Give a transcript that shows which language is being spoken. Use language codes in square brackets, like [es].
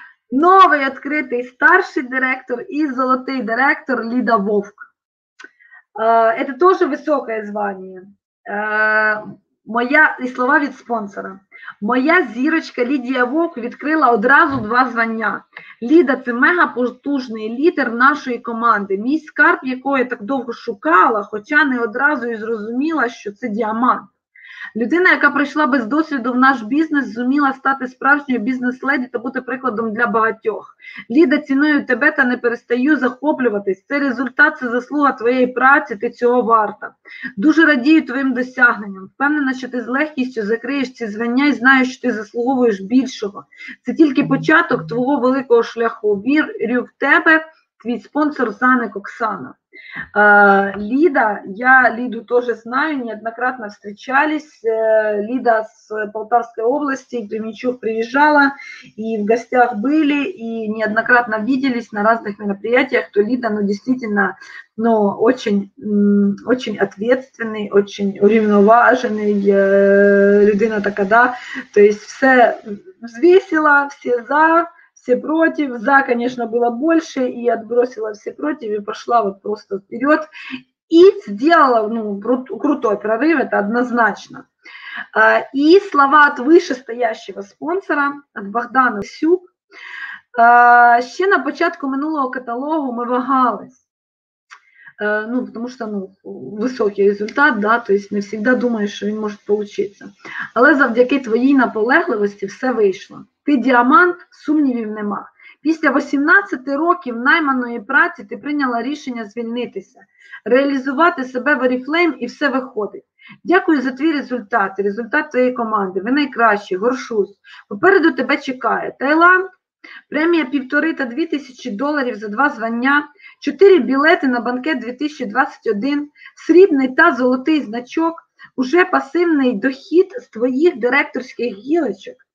[ru] Новый открытый старший директор и золотой директор Лида Вовк. Это тоже высокое звание. [uk] Моя, [ru] и слова [uk] від спонсора. Моя зірочка Лідія Вовк відкрила одразу два звання. Ліда – це мега потужний лідер нашої команди, мій скарб, якого я так довго шукала, хоча не одразу і зрозуміла, що це діамант. Людина, яка прийшла без досвіду в наш бізнес, зуміла стати справжньою бізнес-леді та бути прикладом для багатьох. Ліда, ціную тебе та не перестаю захоплюватись. Це результат, це заслуга твоєї праці, ти цього варта. Дуже радію твоїм досягненням. Впевнена, що ти з легкістю закриєш ці звання і знаю, що ти заслуговуєш більшого. Це тільки початок твого великого шляху. Вірю в тебе, твій спонсор Заник Оксана. [ru] Лида, я Лиду тоже знаю, неоднократно встречались, Лида с Полтавской области, Кременчук приезжала, и в гостях были, и неоднократно виделись на разных мероприятиях, то Лида, ну, действительно, ну, очень, очень ответственный, очень уравновешенный, людина такая, да, то есть все взвесила, все за, все против, за, конечно, было больше, и отбросила все против, и пошла вот просто вперед, и сделала, ну, крутой прорыв, это однозначно. И слова от вышестоящего спонсора, от Богдана Сюк. [uk] Ще на початку минулого каталогу мы вагались, [ru] ну, потому что, ну, высокий результат, да, то есть не всегда думаешь, что он может получиться. [uk] Але завдяки твоей наполегливости [ru] все вышло. [uk] Ти діамант, сумнівів нема. Після 18 років найманої праці ти прийняла рішення звільнитися, реалізувати себе в Oriflame і все виходить. Дякую за твій результат, результат твоєї команди. Ви найкращі, горшусь. Попереду тебе чекає Таїланд, премія 1,5 та 2 тисячі доларів за два звання, 4 білети на банкет 2021, срібний та золотий значок, уже пасивний дохід з твоїх директорських гілочок.